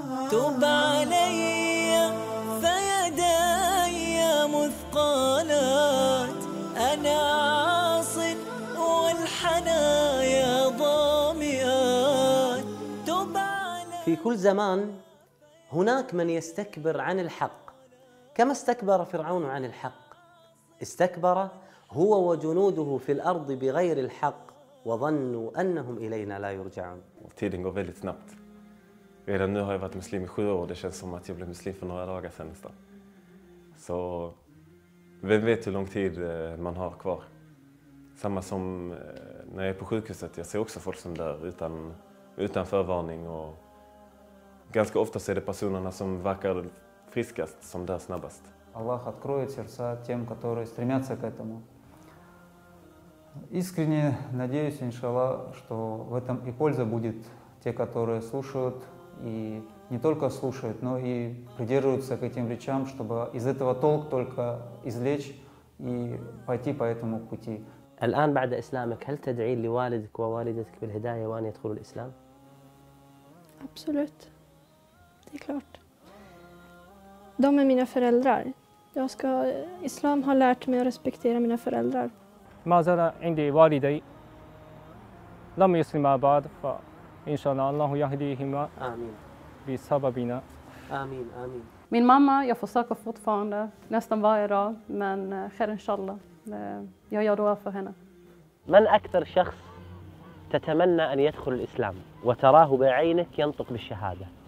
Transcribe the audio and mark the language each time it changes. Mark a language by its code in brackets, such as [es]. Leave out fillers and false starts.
[ar] تب علي فيداي مثقالات، أنا عاصٍ والحنايا ضامئات. تب علي. في كل زمان هناك من يستكبر عن الحق، كما استكبر فرعون عن الحق، استكبر هو وجنوده في الأرض بغير الحق وظنوا أنهم إلينا لا يرجعون. [sv] Tiden går väldigt snabbt. Redan nu har jag varit muslim i 7 år. Det känns som att jag blev muslim för några dagar sedan nästan. Så vem vet hur lång tid man har kvar. Samma som när jag är på sjukhuset. Jag ser också folk som dör utan förvarning. Och ganska ofta är det personerna som verkar friskast som dör snabbast. [ru] Allah откроет сердца тем, которые стремятся к этому. Искренне надеюсь, иншалла, что в этом и польза будет те, которые слушают, и не только слушают, но и придерживаются к этим речам, чтобы из этого толк только извлечь и пойти по этому пути. [ar] الآن بعد إسلامك هل تدعين لوالدك ووالدتك بالهداية وأن يدخلوا الإسلام؟ [sv] Absolut. Det är klart. De är mina föräldrar. Jag ska Islam har lärt mig att respektera mina föräldrar. [ar] ما زال عندي والدي لم يسلم بعد فإن شاء الله يهديهما آمين بسببنا آمين آمين. [sv] Min mamma, jag försöker fortfarande nästan varje dag, men sker inshallah. Jag gör dua för henne. [ar] من أكثر شخص تتمنى أن يدخل الإسلام وتراه بعينك ينطق بالشهادة؟